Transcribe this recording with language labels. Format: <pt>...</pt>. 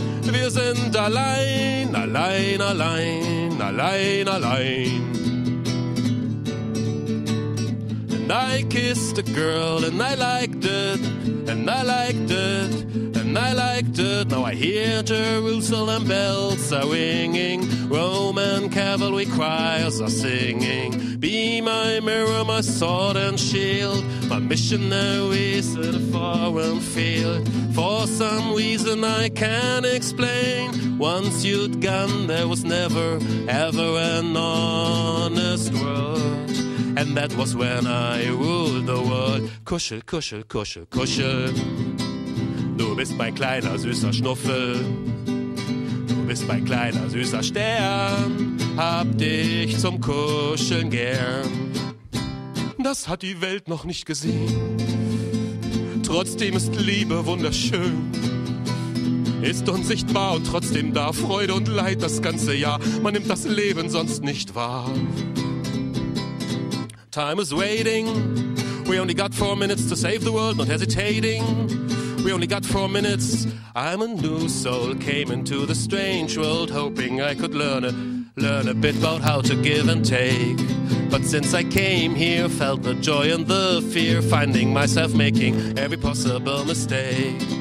<de>Wir sind allein, allein, allein, allein, allein.</de> <en>And I kissed a girl and I liked it, and I liked it, and I liked it. Now I hear Jerusalem bells are ringing, Roman cavalry choirs are singing. Be my mirror, my sword and shield, my missionaries in a foreign field. For some reason I can't explain, once you'd gone there was never ever an honest word. And that was when I ruled the world.</en> <de>Kuschel, kuschel, kuschel, kuschel, du bist mein kleiner süßer Schnuffel. Du bist mein kleiner süßer Stern, hab dich zum Kuscheln gern. Das hat die Welt noch nicht gesehen, trotzdem ist Liebe wunderschön. Ist unsichtbar und trotzdem da, Freude und Leid das ganze Jahr. Man nimmt das Leben sonst nicht wahr.</de> <en>Time is waiting, we only got 4 minutes to save the world, not hesitating. We only got 4 minutes. I'm a new soul, came into the strange world, hoping I could learn a bit about how to give and take. But since I came here, felt the joy and the fear, finding myself making every possible mistake.</en>